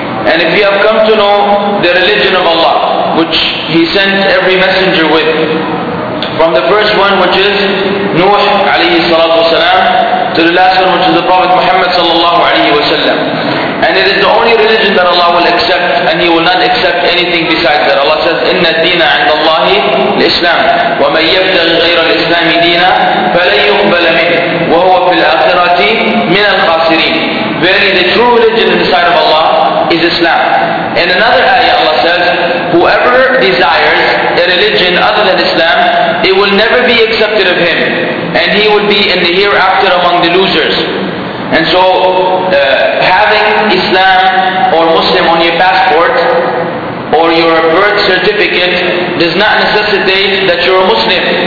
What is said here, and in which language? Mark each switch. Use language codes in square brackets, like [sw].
[en] And if you have come to know the religion of Allah, which He sent every messenger with, from the first one, which is Nuh alayhi salatu wasalam, to the last one, which is the Prophet Muhammad sallallahu alayhi wasallam, and it is the only religion that Allah will accept, and He will not accept anything besides that. Allah says, [ar] إِنَّ الدِّينَ عِنْدَ اللَّهِ الْإِسْلَامِ وَمَنْ يَبْتَغِ غَيْرَ الْإِسْلَامِ دِينًا فَلَنْ يُقْبَلَ مِنْهِ وَهُوَ فِي الْآخِرَةِ مِنَ الْخَاسِرِينَ. [en] Verily, the true religion inside of Allah is Islam. In another ayah, Allah says, whoever desires a religion other than Islam, it will never be accepted of him, and he will be in the hereafter among the losers. And so, having Islam or Muslim on your passport or your birth certificate does not necessitate that you're a Muslim.